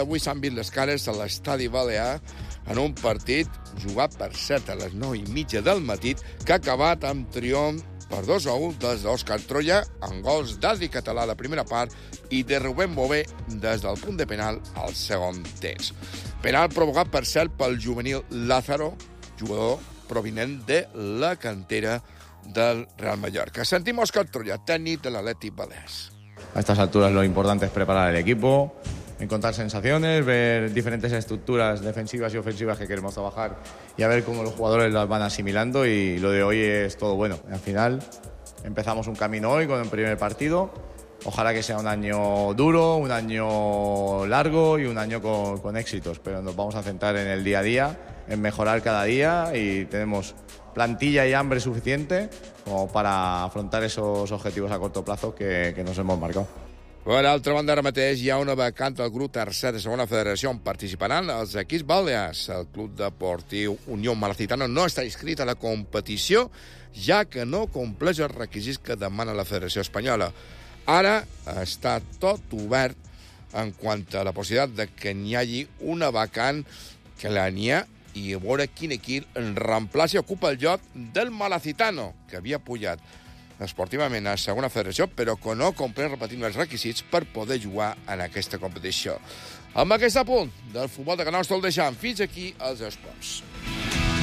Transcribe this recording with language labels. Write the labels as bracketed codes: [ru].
[ca] Avui s'han vist les cares a l'Estadi Balear en un partit jugat, per cert, a les 9:30 del matí, que ha acabat amb triomf per 2-1 des d'Òscar Troya, amb gols d'Adri Català a la primera part i de Rubén Bové des del punt de penal al segon temps. Penal provocat, per cert, pel juvenil Lázaro, jugador provinent de la cantera del Real Mallorca. Sentim Òscar Troya, tècnic de l'Atlètic Balears. [es] A estas alturas lo importante es preparar el equipo, encontrar sensaciones, ver diferentes estructuras defensivas y ofensivas que queremos trabajar y a ver cómo los jugadores las van asimilando, y lo de hoy es todo bueno. Al final empezamos un camino hoy con el primer partido. Ojalá que sea un año duro, un año largo y un año con éxitos, pero nos vamos a centrar en el día a día, en mejorar cada día, y tenemos plantilla y hambre suficiente como para afrontar esos objetivos a corto plazo que nos hemos marcado. [ca] Per altra banda, ara mateix hi ha una vacant al grup tercer de segona federació on participaran els equips balears. El club deportiu Unió Malacitano no està inscrit a la competició, ja que no compleix els requisits que demana la Federació Espanyola. Ara està tot obert en quant a la possibilitat de que n'hi hagi una vacant, que la n'hi ha, i a veure quin equip reemplaça i ocupa el lloc del Malacitano, que havia pujat esportivament a segona federació, però que no compren repetint els requisits per poder jugar en aquesta competició. Amb aquest apunt del futbol de Canals, tot el deixant. Fins aquí els esports.